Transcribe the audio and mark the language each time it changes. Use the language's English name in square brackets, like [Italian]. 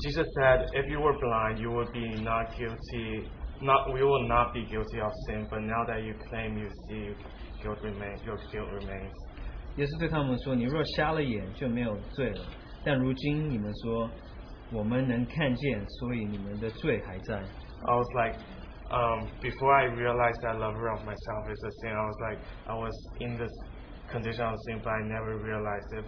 [English] Jesus said, if you were blind, you would be not guilty. We will not be guilty of sin, but now that you claim you see, guilt remains. Your guilt remains. [Chinese] 也是对他们说，你若瞎了眼就没有罪了。但如今你们说，我们能看见，所以你们的罪还在。 [English] I was like, before I realized that lover of myself is a sin, I was like, I was in this condition of sin, but I never realized it.